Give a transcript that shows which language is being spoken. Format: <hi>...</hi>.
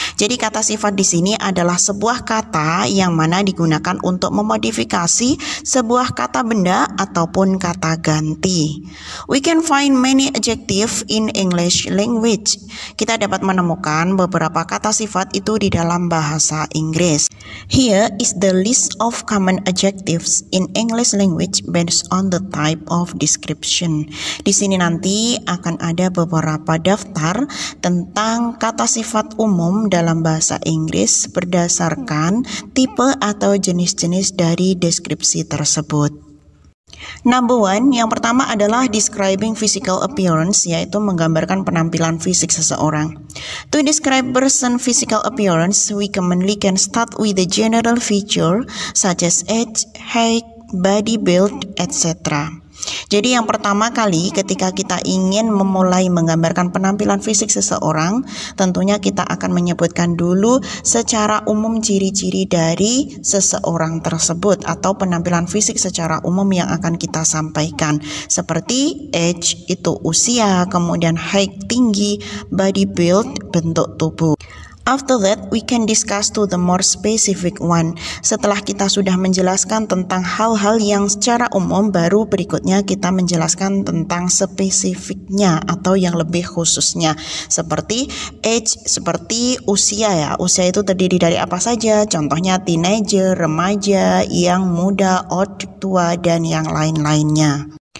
<id>Jadi kata sifat di sini adalah sebuah kata yang mana digunakan untuk memodifikasi sebuah kata benda ataupun kata ganti.</id> <en>We can find many adjective in English language.</en> <id>Kita dapat menemukan beberapa kata sifat itu di dalam bahasa Inggris.</id> <en>Here is the list of common adjectives in English language based on the type of description.</en> <id>Di sini nanti akan ada beberapa daftar tentang kata sifat umum dalam bahasa Inggris berdasarkan tipe atau jenis-jenis dari deskripsi tersebut.</id> <en>Number one,</en> <id>yang pertama adalah</id> <en>describing physical appearance,</en> <id>yaitu menggambarkan penampilan fisik seseorang.</id> <en>To describe person physical appearance, we commonly can start with the general feature such as age, height, body build, etc.</en> <id>Jadi yang pertama kali ketika kita ingin memulai menggambarkan penampilan fisik seseorang, tentunya kita akan menyebutkan dulu secara umum ciri-ciri dari seseorang tersebut atau penampilan fisik secara umum yang akan kita sampaikan. Seperti age itu usia, kemudian height tinggi, body build bentuk tubuh.</id> <en>After that, we can discuss to the more specific one.</en> <id>Setelah kita sudah menjelaskan tentang hal-hal yang secara umum, baru berikutnya kita menjelaskan tentang spesifiknya atau yang lebih khususnya. Seperti age, seperti usia ya. Usia itu terdiri dari apa saja? Contohnya teenager, remaja, yang muda, old, tua, dan yang lain-lainnya.</id>